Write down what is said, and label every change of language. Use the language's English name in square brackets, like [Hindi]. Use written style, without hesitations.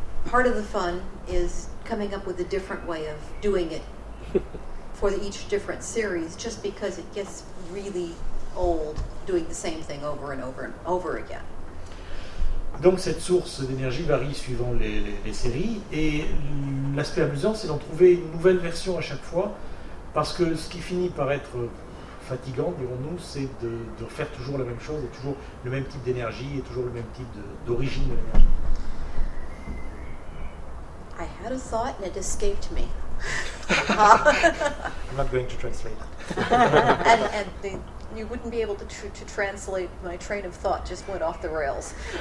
[English] Part of the fun is coming up with a different way of doing it for each different series, just because it gets really old doing the same thing over and over and over again. [French] Donc cette source d'énergie varie suivant les séries, et l'aspect amusant, c'est d'en trouver une nouvelle version à chaque fois Parce que ce qui finit par être fatigant, dirons-nous, c'est de faire toujours la même chose, et toujours le même type d'énergie, et toujours le même type d'origine de l'énergie. [English] I had a thought and it escaped me. I'm not going to translate that. and you wouldn't be able to translate my train of thought, just went off the rails.